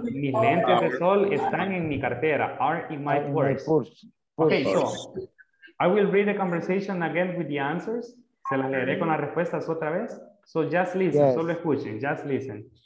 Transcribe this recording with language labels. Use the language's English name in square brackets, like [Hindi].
[Spanish] Mis lentes de sol están en mi cartera. [English] Are in my purse. Okay, so I will read the conversation again with the answers. [Spanish] Se las leeré con las respuestas otra vez. [English] So just listen. Yes. [Spanish] Solo escuchen. [English] Just listen.